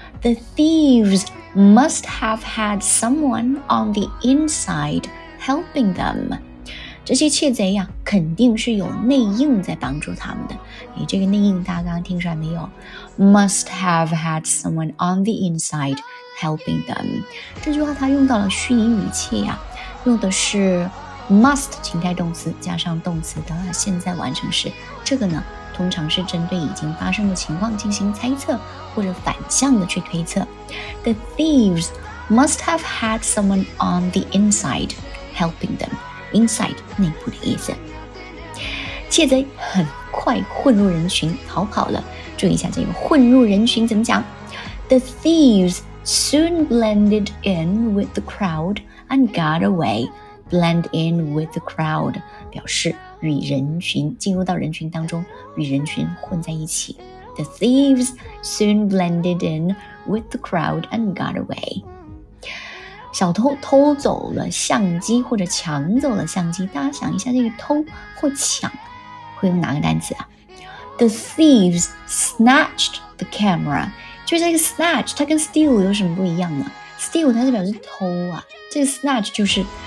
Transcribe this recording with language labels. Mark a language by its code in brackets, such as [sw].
[en] The thieves must have had someone on the inside helping them. [zh] 这些窃贼呀，肯定是有内应在帮助他们的。哎，这个内应大家刚刚听出来没有 ？ [en] Must have had someone on the inside helping them. [zh] 这句话它用到了虚拟语气呀，用的是 must 情态动词加上动词的现在完成式。这个呢？通常是针对已经发生的情况进行猜测或者反向的去推测。 [en] The thieves must have had someone on the inside helping them. [zh] Inside, 内部的意思。窃贼很快混入人群逃跑了。注意一下这个混入人群怎么讲。 [en] The thieves soon blended in with the crowd and got away. Blend in with the crowd 表示。 [zh] 与人群进入到人群当中，与人群混在一起。 [en] The thieves soon blended in with the crowd and got away. [zh] 小偷偷走了相机或者抢走了相机。大家想一下，这个偷或抢会用哪个单词啊 ？ [en] The thieves snatched the camera. [zh] 就这个 snatch， 它跟 steal 有什么不一样呢 ？Steal 它是表示偷啊，这个 snatch 就是。